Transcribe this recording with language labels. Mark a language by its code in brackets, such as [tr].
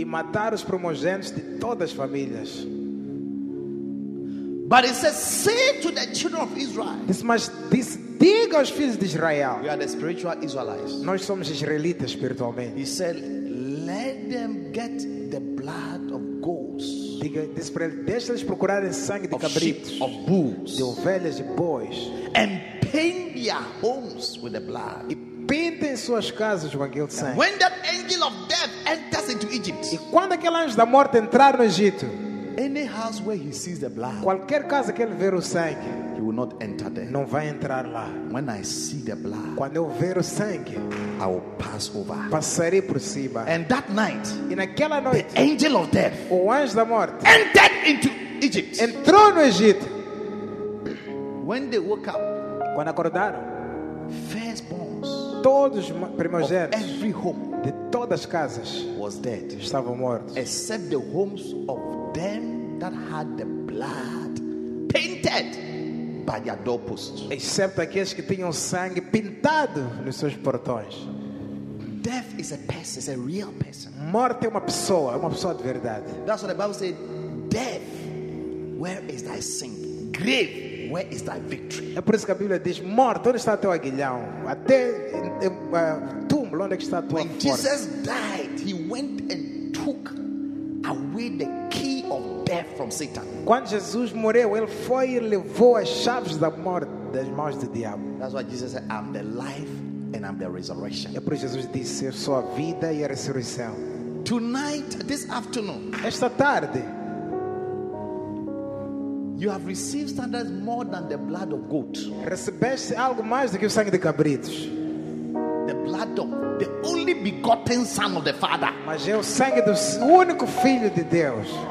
[pt] E matar os primogênitos de todas as famílias. [en] But it says, say to the children of Israel. [pt] Diz, diga aos filhos de Israel. [en] You are the spiritual Israelites. [pt] Nós somos israelitas espiritualmente. [en] He said, let them get the blood of goats. [pt] Diga, diz para ele, deixa eles procurarem sangue de cabritos, [en] sheep, of bulls, [pt] de ovelhas e bois. [en] And paint their homes with the blood. [pt] E pintem suas casas com aquele sangue. [en] And when that angel of death enters into Egypt. [pt] E quando aquele anjo da morte entrar no Egito. [en] Any house where he sees the blood, [pt] qualquer casa que ele ver o sangue, [en] he will not enter there. [pt] Não vai entrar lá. [en] When I see the blood, [pt] quando eu ver o sangue, [en] I will pass over. [pt] Passarei por cima. [en] And that night, [pt] e naquela noite, [en] the angel of death, [pt] o anjo da morte, [en] entered into Egypt. [pt] Entrou no Egito. [en] When they woke up, [pt] quando acordaram, [en] firstborns, [pt] todos primogênitos, [en] of every home, [pt] de todas as casas, [en] was dead. [pt] Estavam mortos. [en] Except the homes of them that had the blood painted by their doorposts. [pt] Excepto aqueles que tinham sangue pintado nos seus portões. [en] Death is a person, it's a real person. [pt] Morte é uma pessoa de verdade. [en] That's what the Bible said. Death, where is thy sting? Grave, where is thy victory? [pt] É por isso que a Bíblia diz: morte, onde está teu aguilhão? Até túmulo, onde está tua [en] When [pt] força? [en] Jesus died, he went and took away the key of death from Satan. [pt] Quando Jesus morreu, ele foi e levou as chaves da morte das mãos do diabo. [en] That's why Jesus said, I'm the life and I'm the resurrection. [pt] É por isso que Jesus disse, eu sou a vida e a ressurreição. [en] Tonight, this afternoon, [pt] esta tarde, [en] you have received standards more than the blood of goats. [pt] Recebeste algo mais do que o sangue de cabritos. [en] The blood of the only begotten son of the father. [pt] Mas é o sangue do único filho de Deus.